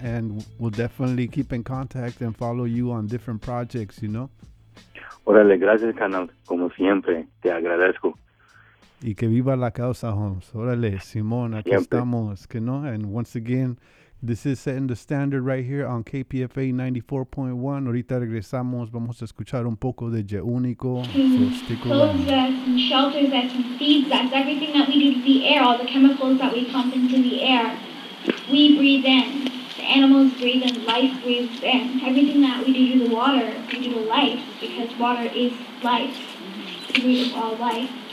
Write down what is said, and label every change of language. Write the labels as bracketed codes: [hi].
[en] And we'll definitely keep in contact and follow you on different projects, you know. [es] Órale, gracias, canal. Como siempre, te agradezco. Y que viva la causa, homes. Órale, Simón, aquí siempre. Estamos. Que no? [en] And once again, this is Setting the Standard right here on KPFA 94.1. [es] Ahorita regresamos. Vamos a escuchar un poco de Je Único. [en] Clothes us and shelters us and feeds us. Everything that we do to the air, all the chemicals that we pump into the air, we breathe in. The animals breathe in, life breathes in. Everything that we do to the water, we do to life, because water is life. The root of all life.